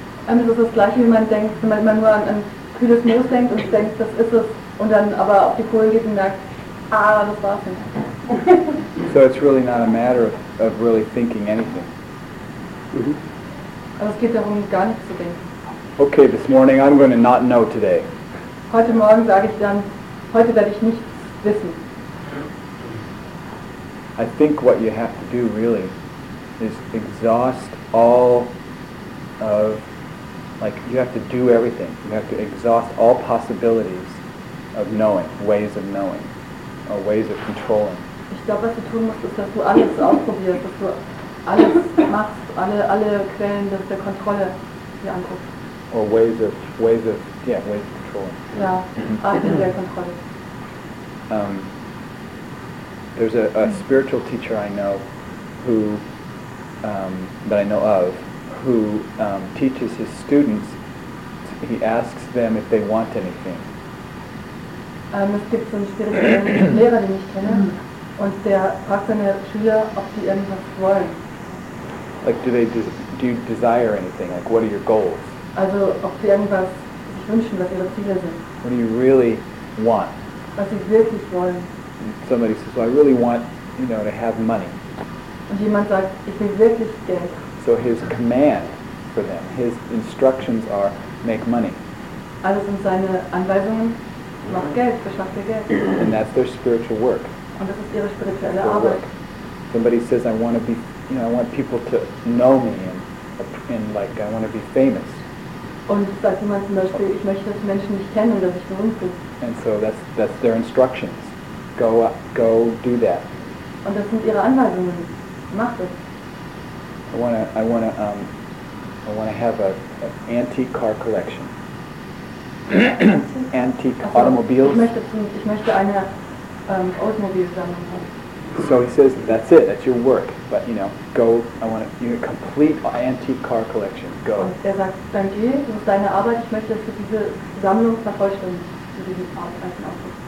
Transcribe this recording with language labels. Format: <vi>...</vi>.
<de>Also das ist das gleiche, wie man denkt, wenn man nur an kühles Moos denkt und denkt, das ist es, und dann aber auf die Kohle geht und merkt, das war's nicht.</de> <en>So it's really not a matter of really thinking anything.</en> <de>Mhm. Aber es geht darum, gar nichts zu denken.</de> <en>Okay, this morning I'm going to not know today.</en> <de>Heute Morgen sage ich dann, heute werde ich nichts wissen.</de> <en>I think what you have to do really is exhaust all of, like, you have to do everything. You have to exhaust all possibilities of knowing, ways of knowing, or ways of controlling.</en> <de>Ich glaube, was du tun musst, ist, dass du alles ausprobierst, dass du alles machst, alle Quellen der Kontrolle dir anguckst.</de> <en>Or ways of controlling.</en> <de>Ja, Arten der Kontrolle.</de> <en>There's a spiritual teacher I know who, that I know of, who teaches his students, he asks them if they want anything.</en> <de>Es gibt so einen spirituellen Lehrer, den ich kenne, und der fragt seine Schüler, ob die irgendwas wollen.</de> <en>Like, do you desire anything? Like, what are your goals?</en> <de>Also, ob sie irgendwas sich wünschen, was ihre Ziele sind.</de> <en>What do you really want?</en> <de>Was sie wirklich wollen.</de> <en>Somebody says, well, I really want, you know, to have money.</en> <de>Und jemand sagt, ich will wirklich Geld.</de> <en>So his command for them, his instructions are, make money.</en> <de>Also sind seine Anweisungen, mach Geld, beschaff dir Geld.</de> <en>And that's their spiritual work.</en> <de>Und das ist ihre spirituelle Arbeit.</de> <en>Somebody says, I want to be, you know, I want people to know me and like, I want to be famous.</en> <de>Und sagt jemand zum Beispiel, ich möchte, dass Menschen mich kennen, dass ich berühmt bin.</de> <en>And so that's their instructions. Go up, go do that.</en> <de>Und das sind ihre Anweisungen. Mach das.</de> <en>I wanna have an antique car collection. Antique automobiles.</en> <de>Ich möchte eine Automobilsammlung haben.</de> <en>So he says, that's it, that's your work. But you know, go, I want to, you know, complete antique car collection. Go.</en> <de>Und er sagt, dann geh, das ist deine Arbeit, ich möchte, dass du diese Sammlung vervollständigst, zu diesem alten Auto.</de>